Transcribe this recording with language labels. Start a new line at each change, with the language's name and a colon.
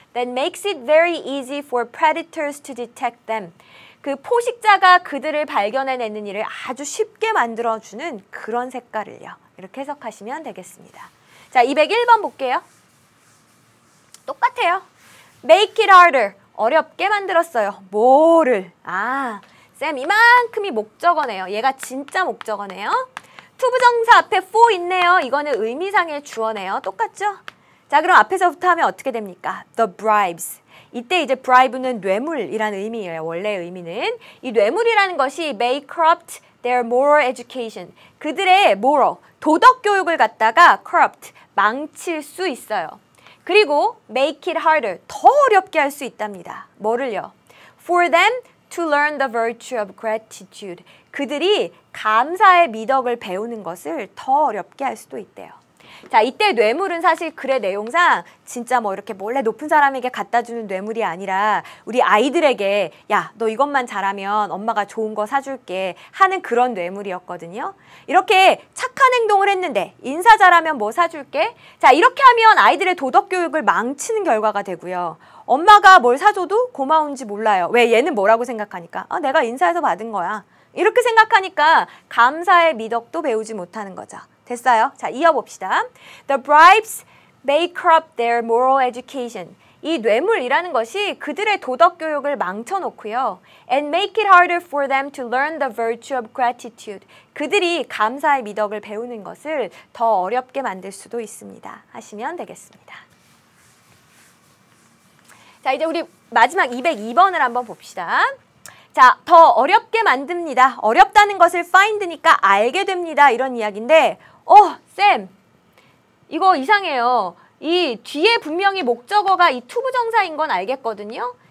English: That makes it very easy for predators to detect them.
Korean: 그 포식자가 그들을 발견해내는 일을 아주 쉽게 만들어주는 그런 색깔을요. 이렇게 해석하시면 되겠습니다. 자, 201번 볼게요. 똑같아요.
English: Make it harder.
Korean: 어렵게 만들었어요. 뭐를? 아, 쌤 이만큼이 목적어네요. 얘가 진짜 목적어네요. 투부정사 앞에 for 있네요. 이거는 의미상의 주어네요. 똑같죠? 자, 그럼 앞에서부터 하면 어떻게 됩니까?
English: The bribes.
Korean: 이때 이제 bribe는 뇌물이라는 의미예요. 원래의 의미는. 이 뇌물이라는 것이
English: may corrupt their moral education.
Korean: 그들의 moral, 도덕 교육을 갖다가 corrupt, 망칠 수 있어요. 그리고
English: make it harder,
Korean: 더 어렵게 할 수 있답니다. 뭐를요?
English: For them to learn the virtue of gratitude.
Korean: 그들이 감사의 미덕을 배우는 것을 더 어렵게 할 수도 있대요. 자, 이때 뇌물은 사실 글의 내용상 진짜 뭐 이렇게 몰래 높은 사람에게 갖다 주는 뇌물이 아니라 우리 아이들에게 야, 너 이것만 잘하면 엄마가 좋은 거 사줄게 하는 그런 뇌물이었거든요. 이렇게 착한 행동을 했는데 인사 잘하면 뭐 사줄게? 자, 이렇게 하면 아이들의 도덕 교육을 망치는 결과가 되고요. 엄마가 뭘 사줘도 고마운지 몰라요. 왜? 얘는 뭐라고 생각하니까? 아, 내가 인사해서 받은 거야. 이렇게 생각하니까 감사의 미덕도 배우지 못하는 거죠. 됐어요? 자, 이어봅시다.
English: The bribes may corrupt their moral education.
Korean: 이 뇌물이라는 것이 그들의 도덕 교육을 망쳐놓고요.
English: And make it harder for them to learn the virtue of gratitude.
Korean: 그들이 감사의 미덕을 배우는 것을 더 어렵게 만들 수도 있습니다. 하시면 되겠습니다. 자, 이제 우리 마지막 202번을 한번 봅시다. 자, 더 어렵게 만듭니다. 어렵다는 것을 find니까 알게 됩니다. 이런 이야기인데, 쌤, 이거 이상해요. 이 뒤에 분명히 목적어가 이 투부정사인 건 알겠거든요.